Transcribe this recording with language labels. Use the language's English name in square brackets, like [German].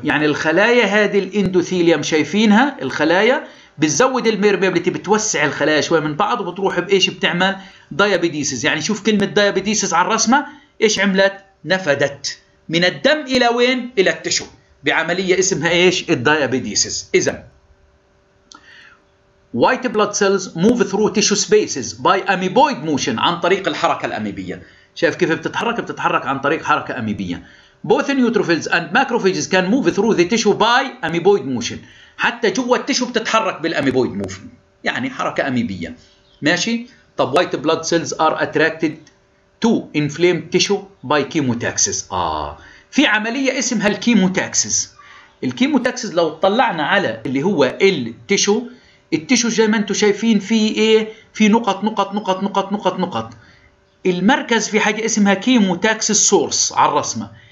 [Arabic] يعني الخلايا هذه الاندوثيليوم شايفينها، الخلايا بتزود الميربيبليتي، بتوسع الخلايا شوية من بعض وبتروح بإيش؟ بتعمل ديابيديسز. يعني شوف كلمة ديابيديسز على الرسمة إيش عملت؟ نفدت من الدم إلى وين؟ إلى التشو، بعملية اسمها إيش؟ الديابيديسز. [English] إذن white blood cells move through tissue spaces by amoeboid motion، [Arabic] عن طريق الحركة الأميبية. شايف كيف بتتحرك؟ بتتحرك عن طريق حركة أميبية. [English] Both neutrophils and macrophages can move through the tissue by amoeboid motion، [Arabic] حتى جوا التشو بتتحرك بالأميبويد موفن، يعني حركة أميبية. ماشي؟ طب [English] white blood cells are attracted to inflamed tissue by chemotaxis. [Arabic] في عملية اسمها الكيموتاكسيز. الكيموتاكسيز لو طلعنا على اللي هو التشو، التشو زي ما انتم شايفين فيه ايه؟ في نقط نقط نقط نقط نقط نقط. المركز في حاجة اسمها كيموتاكسيس سورس على الرسمة.